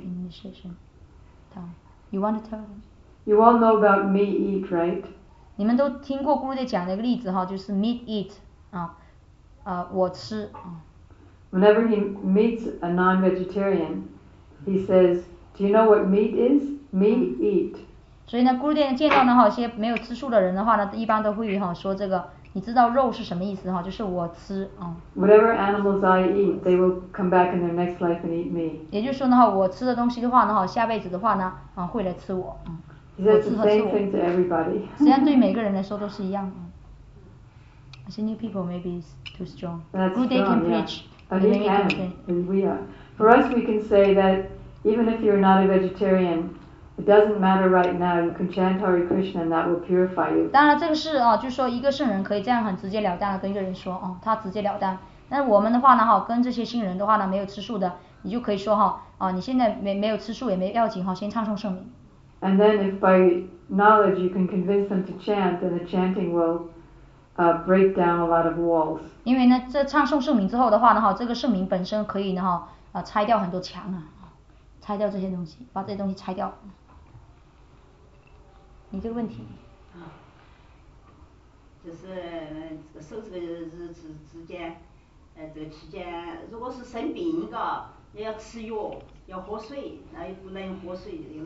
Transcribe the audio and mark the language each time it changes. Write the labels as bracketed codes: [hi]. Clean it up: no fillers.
[en] Initiation. You want to tell them? You all know about me eat, right? [zh] 你们都听过 Gurudev 讲的一个例子哈，就是 [en] me eat. [zh] 我吃。 [en] Whenever he meets a non-vegetarian, he says, "Do you know what meat is? Me eat." [zh] 所以呢，古典见到呢哈，一些没有吃素的人的话呢，一般都会哈说这个，你知道肉是什么意思哈？就是我吃。 [en] Whatever animals I eat, they will come back in their next life and eat me. [zh] 也就是说呢哈，我吃的东西的话呢哈，下辈子的话呢会来吃我。 [en] He says the same thing to everybody. [zh] 实际上对每个人来说都是一样。 [en] I see new people maybe is too strong. That's good strong, they can preach. Yeah. And we are. For us, we can say that even if you're not a vegetarian, it doesn't matter right now. You can chant Hare Krishna and that will purify you. [zh] 当然这个是就是说一个圣人可以这样很直截了当的跟一个人说他直截了当。但我们的话呢跟这些新人的话呢没有吃素的，你就可以说你现在没有吃素也没要紧先唱诵圣名。 [en] And then if by knowledge you can convince them to chant, then the chanting will... break down a lot of walls. [zh] 因为呢，这唱诵圣名之后的话呢，哈，这个圣名本身可以呢，哈，拆掉很多墙啊，拆掉这些东西，把这些东西拆掉。你这个问题？就是受这个之间，这个期间，如果是生病个，要吃药，要喝水，那又不能喝水。